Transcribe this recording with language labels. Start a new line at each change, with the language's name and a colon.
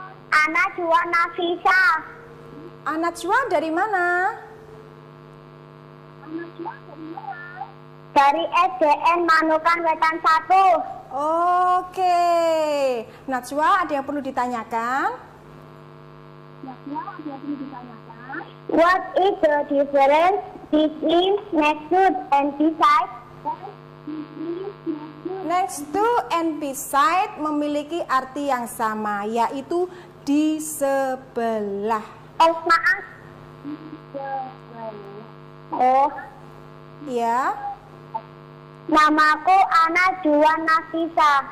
Indonesian: Anak Jua Nafisa. Anak Jua dari mana? Dari SDN Manukan Wetan 1. Oke. Najwa, ada yang perlu ditanyakan?
English: What is the difference between next to and beside?
Indonesian: Next to and beside memiliki arti yang sama, yaitu di sebelah. Oh, maaf. Oh. Ya. Namaku Anajwa Nafisa.